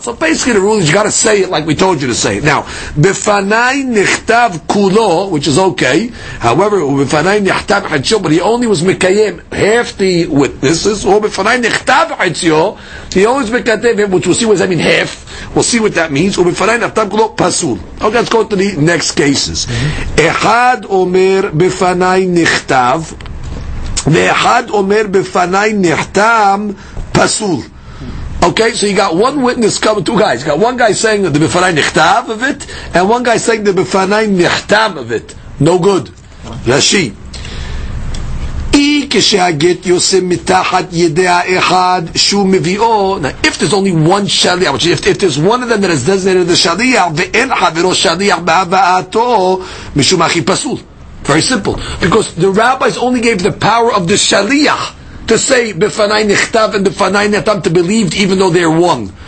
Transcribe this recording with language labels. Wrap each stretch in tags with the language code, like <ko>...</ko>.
<en>So basically the rule is you got to say it like we told you to say it. Now, b'fanai niktav kulo, which is okay, however, b'fanai niktav hachyo, but he only was mekayim half the witnesses, or b'fanai niktav hachyo, he always mekayim him, which we'll see what that means, half, we'll see what that means, or b'fanai niktav kulo, pasul. Okay, let's go to the next cases.</en> <he>Echad omer בפני נכתב ואחד אומר בפני נחתם פסול.</he> <en>Okay, so you got one witness coming, two guys. You got one guy saying the בפני נכתב of it and one guy saying the בפני נחתם of it. No good.</en> <he>רשי כשהגט יושם מתחת ידי האחד שהוא מביאו.</he> <en>Now, if there's only one שליח, which if there's one of them that is designated the שליח</en> <he>ואין חברו שליח בהבאתו, משום הכי פסול.</he> <en>Very simple. Because the rabbis only gave the power of the shaliach to say b'fanai nechtav and b'fanai nechtam to believed even though they're one.</en>